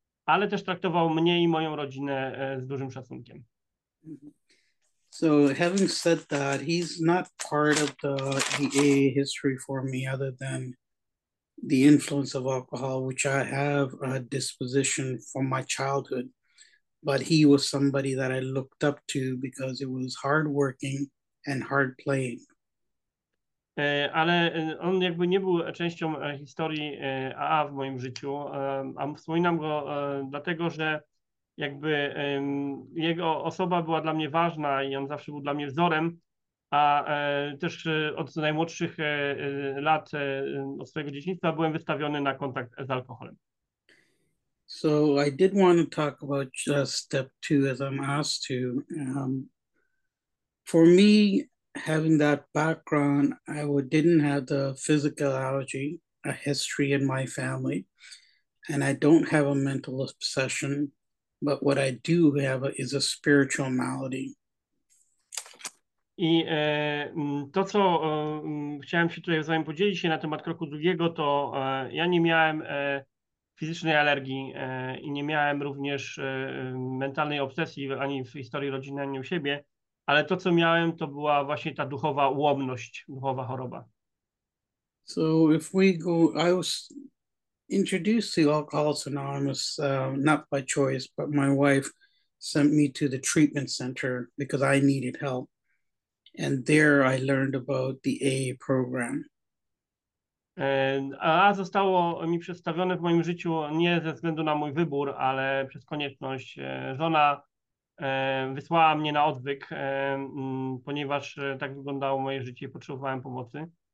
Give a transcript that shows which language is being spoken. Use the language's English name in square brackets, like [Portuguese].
[Polish] Ale też traktował mnie i moją rodzinę z dużym szacunkiem. [English] So having said that, he's not part of the AA history for me other than the influence of alcohol, which I have a disposition from my childhood. But he was somebody that I looked up to because it was hard working and hard playing. [Polish] Ale on jakby nie był częścią historii AA w moim życiu, a wspominam go dlatego, że jakby jego osoba była dla mnie ważna i on zawsze był dla mnie wzorem, a też od najmłodszych lat, od swojego dzieciństwa byłem wystawiony na kontakt z alkoholem. [English] So I did want to talk about just step two as I'm asked to. For me, having that background, I didn't have the physical allergy, a history in my family, and I don't have a mental obsession, but what I do have is a spiritual malady. [Polish] I to, co chciałem się tutaj z wami podzielić się na temat kroku drugiego, to ja nie miałem fizycznej alergii i nie miałem również mentalnej obsesji ani w historii rodziny, ani u siebie. Ale to, co miałem, to była właśnie ta duchowa ułomność, duchowa choroba. [English] So if we go, I was introduced to Alcoholics Anonymous, not by choice, but my wife sent me to the treatment center because I needed help. And there I learned about the AA program. [Polish] A zostało mi przedstawione w moim życiu nie ze względu na mój wybór, ale przez konieczność. Żona wysłała mnie na odwyk, ponieważ tak wyglądało moje życie i potrzebowałem pomocy.